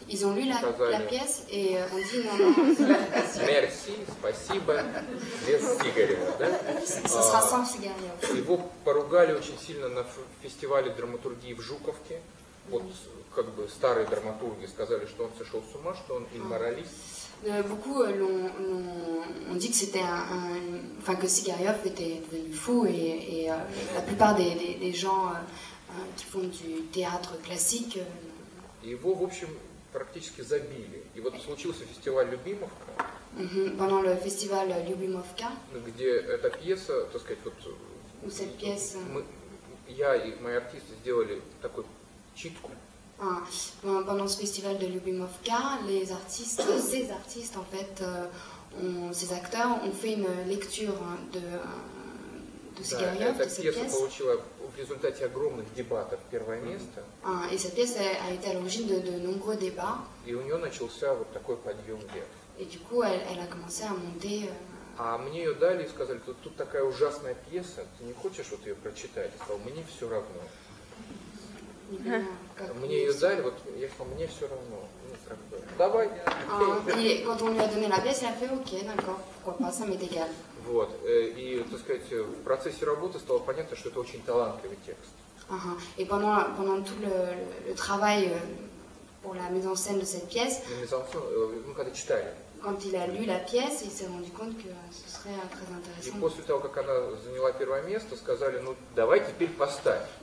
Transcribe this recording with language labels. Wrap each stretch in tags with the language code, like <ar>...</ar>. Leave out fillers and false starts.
<ru>Его поругали очень сильно на фестивале драматургии в Жуковке. Вот как бы старые драматурги сказали, что он сошел с ума, что он имморалист.</ru> <fr>Beaucoup l'ont dit que c'était enfin que Sigariov était devenu fou et la plupart des gens qui font du théâtre classique.</fr> <ru>Его в общем практически забили. И вот случился фестиваль Любимовка.</ru> <fr>Pendant le festival Любимовка.</fr> <ru>Где эта пьеса, так сказать, вот.</ru> <fr>Où cette pièce.</fr> <ru>Я и мои артисты сделали такой читку.</ru> <fr>Pendant ce festival de Lubimovka, les artistes, ces artistes en fait, ces acteurs ont fait une lecture de Sigariov, de cette pièce. Et cette pièce a été à l'origine de nombreux débats.</fr> <ru>Et у нее начался вот такой подъем вверх.</ru> <fr>Et du coup, elle a commencé à monter.</fr> <ru>А мне ее дали и сказали, что тут такая ужасная пьеса, ты не хочешь вот ее прочитать? Я сказал, мне все равно. Мне ее дали, вот я сказал, мне все равно. Давай. И когда он мне дали на пьесу, я сказал, окей,</ru> <fr>d'accord, pas, ça m'est égal.</fr> <ru>Вот, и, так сказать, в процессе работы стало понятно, что это очень талантливый текст.</ru> <fr>И pendant tout le travail pour la mise en scène de cette pièce,</fr> <ru>мы когда читали,</ru> <fr>quand il a lu la pièce, il s'est rendu compte que ce serait très intéressant.</fr> <ru>И после того, как она заняла первое место, сказали, ну, давай теперь поставь.</ru>